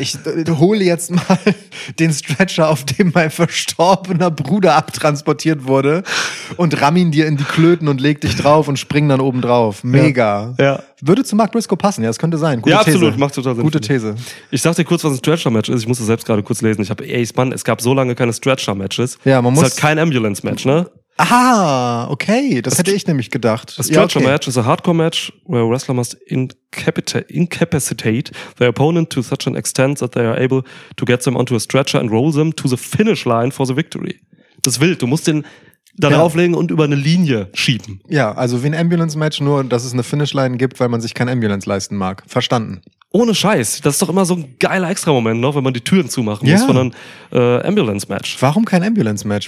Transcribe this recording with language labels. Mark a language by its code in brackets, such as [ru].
[de] Ich hole jetzt mal den Stretcher, auf dem mein verstorbener Bruder abtransportiert wurde und ramm ihn dir in die Klöten und leg dich drauf und spring dann oben drauf. Mega. Ja. Würde zu Mark Briscoe passen, ja, das könnte sein. Gute These. Absolut, macht total Sinn. Gute These. Ich sag dir kurz, was ein Stretcher-Match ist. Ich muss das selbst gerade kurz lesen. Es gab so lange keine Stretcher-Matches. Ja, man muss. Es ist halt kein Ambulance-Match, ne? Ah, okay, das hätte ich nämlich gedacht. [en] A Stretcher Match is a hardcore match where a wrestler must incapacitate their opponent to such an extent that they are able to get them onto a stretcher and roll them to the finish line for the victory. [de] Das ist wild, du musst den da drauflegen und über eine Linie schieben. Ja, also wie ein Ambulance Match, nur dass es eine Finish Line gibt, weil man sich kein Ambulance leisten mag. Verstanden. Ohne Scheiß, das ist doch immer so ein geiler Extra-Moment, ne, wenn man die Türen zumachen muss von einem Ambulance-Match. Warum kein Ambulance-Match?